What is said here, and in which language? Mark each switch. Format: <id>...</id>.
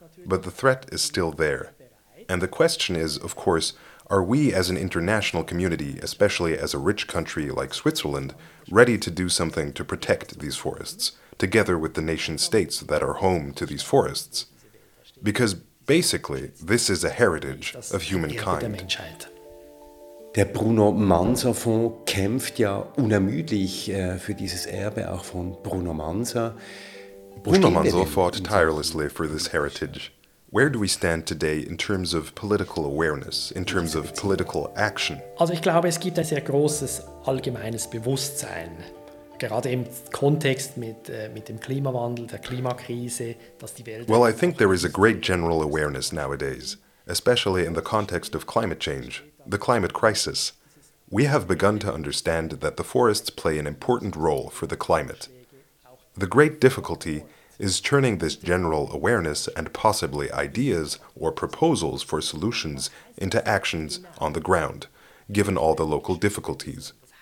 <en>But the threat is still there. And the question is, of course, are we as an international community, especially as a rich country like Switzerland, ready to do something to protect these forests, together with the nation states that are home to these forests? Because basically, this is a heritage of humankind.</en> <de>Der Bruno Manser Fonds kämpft ja unermüdlich für dieses Erbe auch von Bruno Manser.</de> <en>Bruno Manser fought tirelessly for this heritage. Where do we stand today in terms of political awareness, in terms of political action?</en> <de>Also ich glaube, es gibt ein sehr großes allgemeines Bewusstsein, gerade im Kontext mit dem Klimawandel, der Klimakrise, dass die Welt.</de> <en>Well, I think there is a great general awareness nowadays, especially in the context of climate change. The climate crisis. We have begun to understand that the forests play an important role for the climate. The great difficulty is turning this general awareness and possibly ideas or proposals for solutions into actions on the ground, given all the local difficulties.</en>